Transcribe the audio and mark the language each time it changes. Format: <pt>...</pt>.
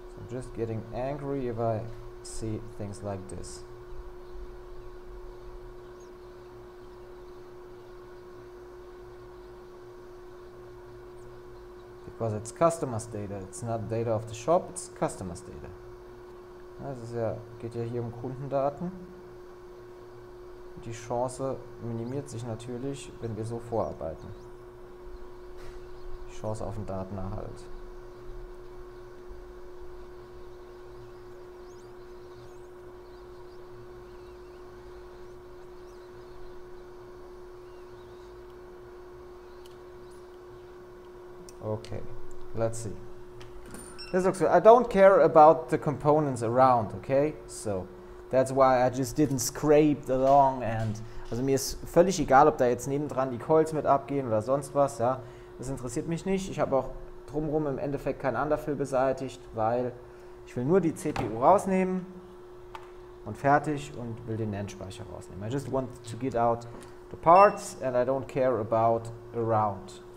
<en>Just getting angry if I see things like this. Because it's customers' data, it's not data of the shop, it's customers' data.</en> <de>Also es geht ja hier um Kundendaten. Die Chance minimiert sich natürlich, wenn wir so vorarbeiten. Die Chance auf den Datenerhalt.</de> <en>Okay, let's see. This looks good. I don't care about the components around, okay? So, that's why I just didn't scrape along and...</en> <de>Also mir ist völlig egal, ob da jetzt nebendran die Coils mit abgehen oder sonst was, ja. Das interessiert mich nicht. Ich habe auch drumherum im Endeffekt keinen Underfill beseitigt, weil ich will nur die CPU rausnehmen und fertig und will den NAND-Speicher rausnehmen.</de> <en>I just want to get out the parts and I don't care about around.</en>